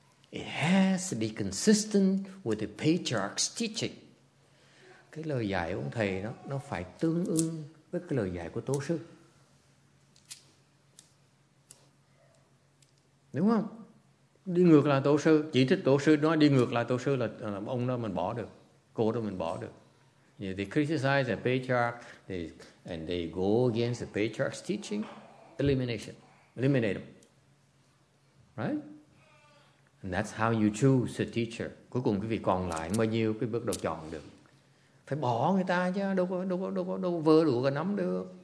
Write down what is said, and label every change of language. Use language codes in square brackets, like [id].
[en] It has to be consistent with the patriarch's teaching. [vi] Cái lời dạy của thầy nó phải tương ứng với cái lời dạy của tổ sư. Đúng không? Đi ngược lại tổ sư, chỉ trích tổ sư, nói đi ngược lại tổ sư là ông đó mình bỏ được, cô đó mình bỏ được. [en] Yeah, they criticize the patriarch, and they go against the patriarch's teaching, elimination, eliminate them. Right? And that's how you choose the teacher. [vi] Cuối cùng cái việc còn lại bao nhiêu cái bước đầu chọn được. Phải bỏ người ta chứ, đâu vơ đủ cả nắm được.